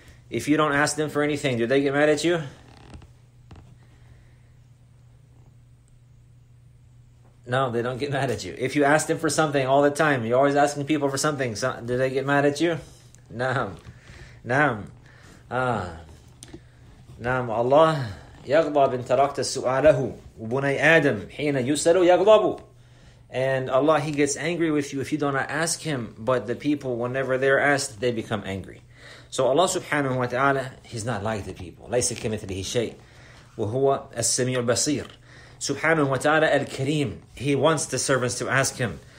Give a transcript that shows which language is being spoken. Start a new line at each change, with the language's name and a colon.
English: If you don't ask them for anything, do they get mad at you? No, they don't get mad at you. If you ask them for something all the time, you're always asking people for something, so do they get mad at you?
Arabic: Naam. Allah يَغْضَبْ إِنْ تَرَكْتَ سُؤَالَهُ وَبُنَيْ آدَمْ حِينَ يُسَلُوا يَغْضَبُ.
English: And Allah, He gets angry with you if you do not ask Him, but the people, whenever they're asked, they become angry. So Allah subhanahu wa ta'ala, He's not like the people.
Arabic: لَيْسَ كَمِثْلِهِ شَيْءٍ وَهُوَ السَّمِيعُ الْبَصِيرُ.
English: Subhanahu wa ta'ala al-Kareem, He wants the servants to ask Him.